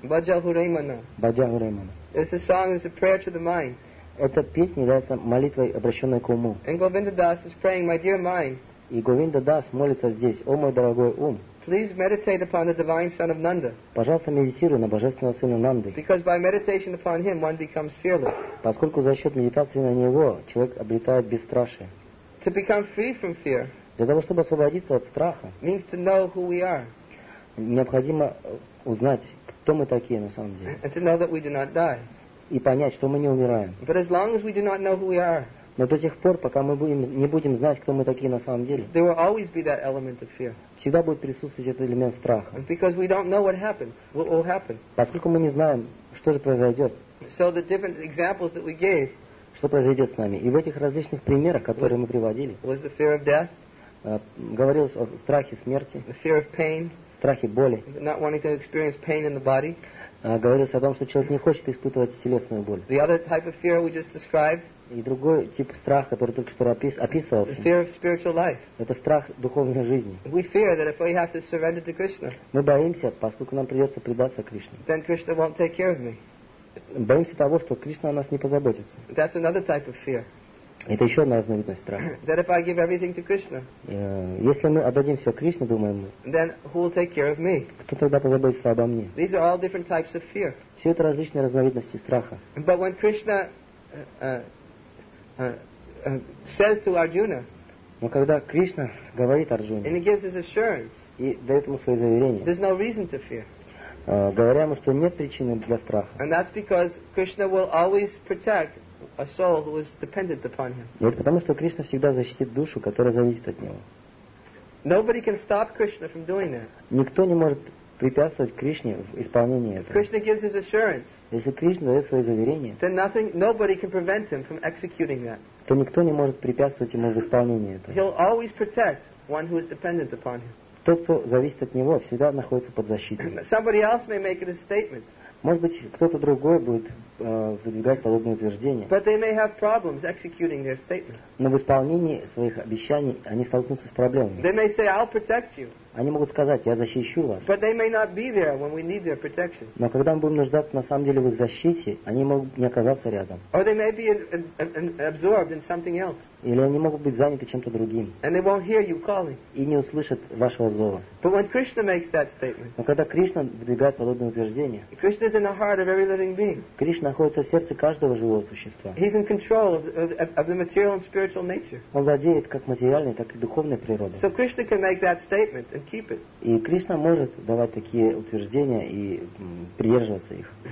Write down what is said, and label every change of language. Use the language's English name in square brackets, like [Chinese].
[English] Баджа Хуреймана. It's a song. It's a prayer to the mind. [Russian] Эта песня является молитвой, обращенной к уму. [English] And Govinda Das is praying, my dear mind. [Russian] И Говинда Дас молится здесь, о мой дорогой ум. [English] Please meditate upon the divine son of Nanda. [Russian] Пожалуйста, медитируй на божественного сына Нанды. [English] Because by meditation upon him, one becomes fearless. [Russian] Поскольку за счет медитации на него человек обретает бесстрашие. [English] To become free from fear. [Russian] Для того чтобы освободиться от страха. [English] Means to know who we are. [Russian] Необходимо узнать, кто мы такие на самом деле. [English] And to know that we do not die. [Russian] И понять, что мы не умираем. [English] But as long as we do not know who we are. [Russian] Но до тех пор, пока мы не будем знать, кто мы такие на самом деле, [English] there will always be that element of fear. [Russian] Всегда будет присутствовать этот элемент страха. [English] And because we don't know what happens, what will happen. [Russian] Поскольку мы не знаем, что же произойдет. [English] So the different examples that we gave, [Russian] что произойдет с нами. И в этих различных примерах, которые мы приводили, [English] was the fear of death, [Russian] говорилось о страхе смерти, [English] the fear of pain, [Russian] страхе боли, [English] not wanting to experience pain in the body, [Russian] говорилось о том, что человек не хочет испытывать телесную боль. [English] The other type of fear we just described, [Russian] и другой тип страха, который только что описывался, [English] the fear of spiritual life. [Russian] Это страх духовной жизни. [English] We fear that if we have to surrender to Krishna, [Russian] мы боимся, поскольку нам придется предаться Кришне, [English] then Krishna won't take care of me. [Russian] Боимся того, что Кришна о нас не позаботится. [English] That's another type of fear. [Russian] Это еще одна разновидность страха. [English] That if I give everything to Krishna, [Russian] если мы отдадим все Кришне, думаем мы, [English] then who will take care of me? [Russian] Кто тогда позаботится обо мне? [English] These are all different types of fear. [Russian] Все это различные разновидности страха. [English] But when Krishna says to Arjuna, [Russian] но когда Кришна говорит Арджуне, [English] and he gives his assurance, [Russian] и дает ему свои заверения, [English] there's no reason to fear. [Russian] Говоря ему, что нет причины для страха. [English] And that's because Krishna will always protect a soul who is dependent upon him. [Russian] И это потому, что Кришна всегда защитит душу, которая зависит от него. [English] Nobody can stop Krishna from doing that. [Russian] Никто не может препятствовать Кришне в исполнении этого. [English] Krishna gives his assurance, [Russian] если Кришна дает свои заверения, [English] then nothing, nobody can prevent him from executing that. [Russian] То никто не может препятствовать ему в исполнении этого. [English] He'll always protect one who is dependent upon him. [Russian] Тот, кто зависит от него, всегда находится под защитой. [English] Somebody else may make it a statement. [Russian] Может быть, кто-то другой будет выдвигать подобные утверждения. [English] But they may have problems executing their statement. [Russian] Но в исполнении своих обещаний они столкнутся с проблемами. [English] They may say, I'll protect you. [Russian] Они могут сказать, я защищу вас. [English] But they may not be there when we need their protection. [Russian] Но когда мы будем нуждаться на самом деле в их защите, они могут не оказаться рядом. [English] Or they may be absorbed in something else. [Russian] Или они могут быть заняты чем-то другим. [English] And they won't hear you calling. [Russian] И не услышат вашего зова. [English] But when Krishna makes that statement, [Russian] но когда Кришна выдвигает подобные утверждения, [English] Krishna is in the heart of every living being. [Russian] Кришна находится в сердце каждого живого существа. [English] He's in control of the material and spiritual nature. [Russian] Он владеет как материальной, так и духовной природой. [English] So Krishna can make that statement and keep it. [Russian] И Кришна может давать такие утверждения и придерживаться их.